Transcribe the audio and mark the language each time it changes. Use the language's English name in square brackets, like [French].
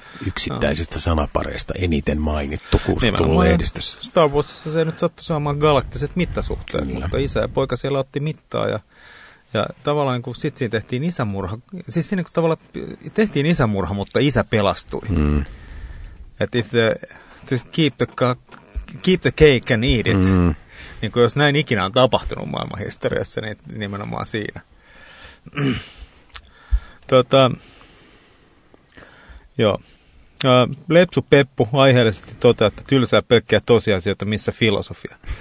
[Finnish] yksittäisistä sanapareista eniten mainittu 60-luvun lehdistössä. Star Warsissa se nyt sattui saamaan galaktiset mittasuhteet, kyllä, mutta isä ja poika siellä otti mittaa ja tavallaan niin kuin sitten siinä tehtiin isämurha. Siis siinä kuin tavallaan tehtiin isämurha, mutta isä pelastui. Mm. [English] Että if the, just keep the cake and eat it. [Finnish] Mm. Niin kuin jos näin ikinä on tapahtunut maailman historiassa, niin nimenomaan siinä. Joo. Lepsu Peppu aiheellisesti toteaa, että tylsää pelkkiä tosiasioita, missä filosofia.